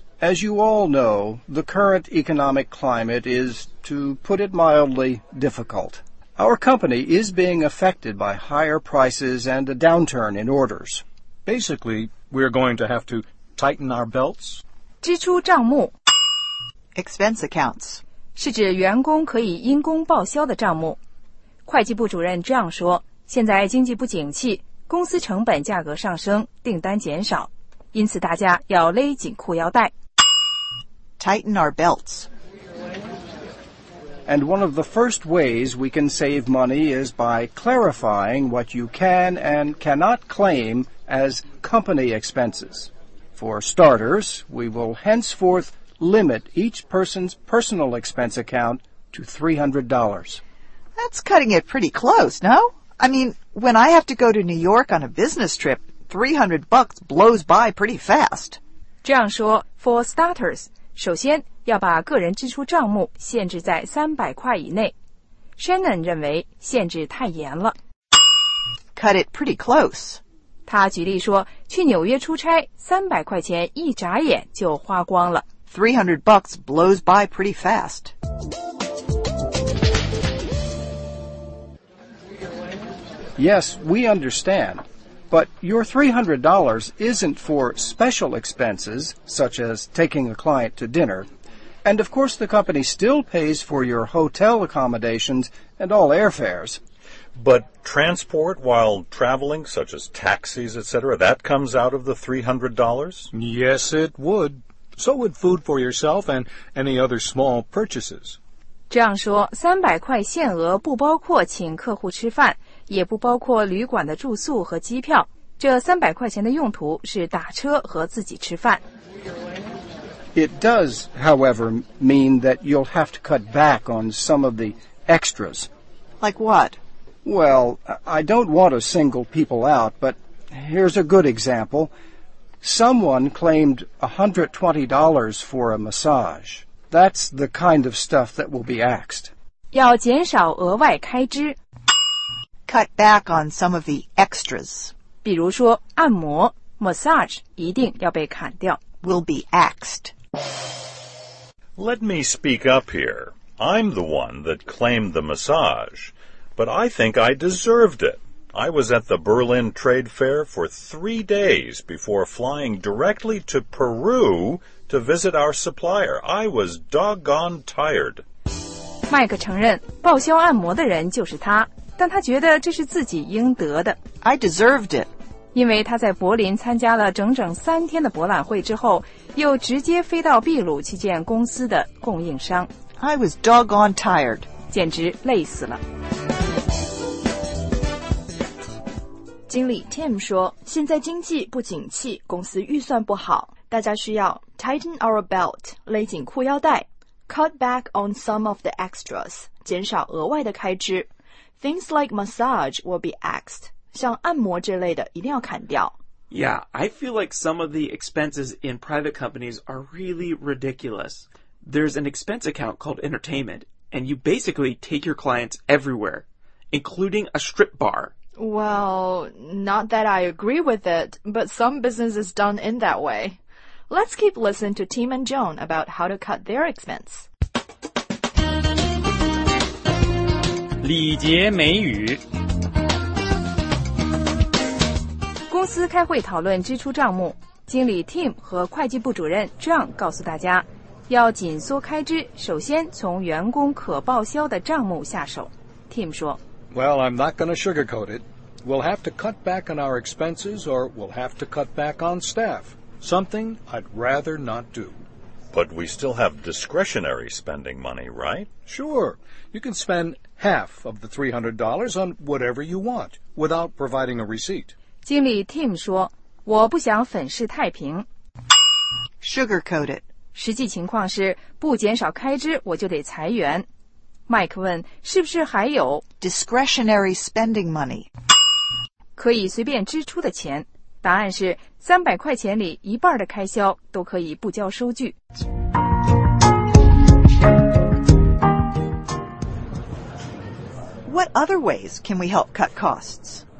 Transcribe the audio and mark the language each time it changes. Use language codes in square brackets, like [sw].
[en] As you all know, the current economic climate is, to put it mildly, difficult. Our company is being affected by higher prices and a downturn in orders. Basically, we're going to have to tighten our belts. [zh] 支出账目 [en] expense accounts [zh] 是指员工可以因公报销的账目。会计部主任这样说，现在经济不景气，公司成本价格上升，订单减少，因此大家要勒紧裤腰带。 [en] Tighten our belts. And one of the first ways we can save money is by clarifying what you can and cannot claim as company expenses. For starters, we will henceforth limit each person's personal expense account to $300. That's cutting it pretty close, no? I mean, when I have to go to New York on a business trip, $300 blows by pretty fast. [zh] 这样说, [en] for starters, [zh] 首先要把个人支出账目限制在300块以内。 Shannon 认为限制太严了。 [en] Cut it pretty close. [zh] 他举例说,去纽约出差,300块钱一眨眼就花光了。 [en] $300 blows by pretty fast. Yes, we understand. But your $300 isn't for special expenses, such as taking a client to dinner. And of course the company still pays for your hotel accommodations and all airfares. But transport while traveling, such as taxis, etc., that comes out of the $300? Yes, it would. So would food for yourself and any other small purchases. [zh] 这样说,300块限额不包括请客户吃饭。也不包括旅馆的住宿和机票。这300块钱的用途是打车和自己吃饭。 [en] It does, however, mean that you'll have to cut back on some of the extras. Like what? Well, I don't want to single people out, but here's a good example. Someone claimed $120 for a massage. That's the kind of stuff that will be axed. [zh] 要减少额外开支。 [en] Cut back on some of the extras. [zh] 比如说按摩 massage 一定要被砍掉 [en] will be axed. Let me speak up here. I'm the one that claimed the massage, but I think I deserved it. I was at the Berlin Trade Fair for 3 days before flying directly to Peru to visit our supplier. I was doggone tired. [zh] Mike 承认报销按摩的人就是他。但他觉得这是自己应得的。 [en] I deserved it. [zh] 因为他在柏林参加了整整3天的博览会之后，又直接飞到秘鲁去见公司的供应商。 [en] I was doggone tired. [zh] 简直累死了。经理 Tim 说，现在经济不景气，公司预算不好，大家需要 [en] tighten our belt, [zh] 勒紧裤腰带 , [en] cut back on some of the extras, [zh] 减少额外的开支。 [en] Things like massage will be axed. [zh] 像按摩之类的一定要砍掉。 [en] Yeah, I feel like some of the expenses in private companies are really ridiculous. There's an expense account called entertainment, and you basically take your clients everywhere, including a strip bar. Well, not that I agree with it, but some business is done in that way. Let's keep listening to Tim and Joan about how to cut their expense. [zh] 礼节美语。公司开会讨论支出账目，经理 Tim 和会计部主任 John 告诉大家，要紧缩开支，首先从员工可报销的账目下手。 Tim 说 [en] ，Well, I'm not going to sugarcoat it. We'll have to cut back on our expenses, or we'll have to cut back on staff. Something I'd rather not do. But we still have discretionary spending money, right? Sure. You can spend half of the $300 on whatever you want without providing a receipt. [zh] 经理 Tim 说，我不想粉饰太平。 [en] Sugarcoat it. [zh] 实际情况是，不减少开支，我就得裁员。 Mike 问，是不是还有 [en] discretionary spending money? [zh] 可以随便支出的钱。答案是300块钱里一半的开销都可以不交收据。 [en] What other ways can we help cut costs?